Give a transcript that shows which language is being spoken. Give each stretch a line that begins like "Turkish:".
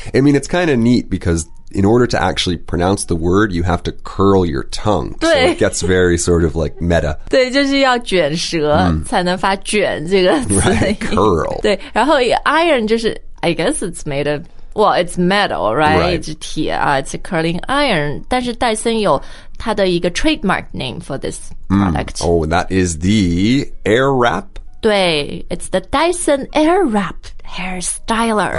English: I mean, it's kind of neat because in order to actually pronounce the word, you have to curl your tongue. So it gets very sort of like meta.
Chinese: 对就是要卷舌才能发卷这个词。
English: Right, curl.
Chinese: 对然后
English: iron
Chinese: 就是
English: I guess it's made of, well, it's metal, right? Right. It's
Chinese: 铁啊
English: it's a curling iron.
Chinese: 但是戴森有它的一个
English: trademark name for this product.、 Oh, that is the air wrap. 对 it's the Dyson Airwrap hair styler.